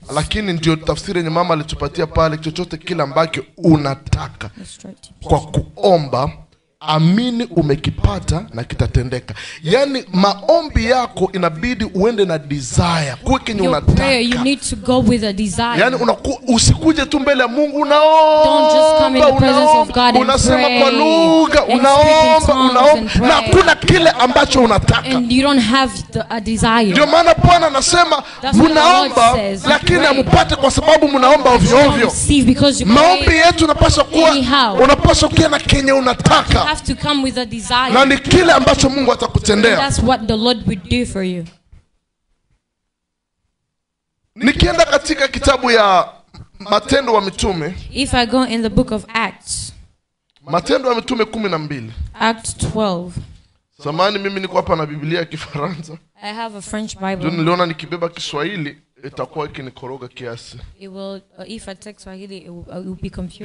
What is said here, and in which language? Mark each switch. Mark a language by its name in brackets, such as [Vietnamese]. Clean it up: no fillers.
[Swahili] lakini ndio tafsiri yenye mama alitupatia pale, chochote kile ambacho unataka kwa kuomba, amini umekipata na kitatendeka. Yani maombi yako inabidi uende na desire. Kwa kile unataka. [English] Prayer, you need to go with a desire. [Swahili] Yani usikuje tu mbele ya Mungu unaomba. [English] Don't just come in the presence of God and pray. [Swahili] Unasema kwa lugha, unaomba. Na kuna kile ambacho unataka. [English] And you don't have a desire. [Swahili] Ndio maana Bwana anasema unaomba lakini hamupate kwa sababu mnaomba ovyo ovyo. Maombi yetu unapaswa kuwa unapaswa kuwa na kenye unataka. [English] You have to come with a desire. [Swahili] Na ni kile ambacho Mungu atakutendea. [English] That's what the Lord would do for you. [Swahili] Nikienda katika kitabu ya Matendo wa Mitume. [English] If I go in the book of Acts. [Swahili] Matendo wa Mitume 12. [English] Acts 12. [Swahili] Samani mimi niko hapa na Biblia ya Kifaransa. [English] I have a French Bible. [Swahili] Ndio niliona nikibeba Kiswahili itakuwa ikinikoroga kiasi. [English] It will if I take Swahili it will be confusing.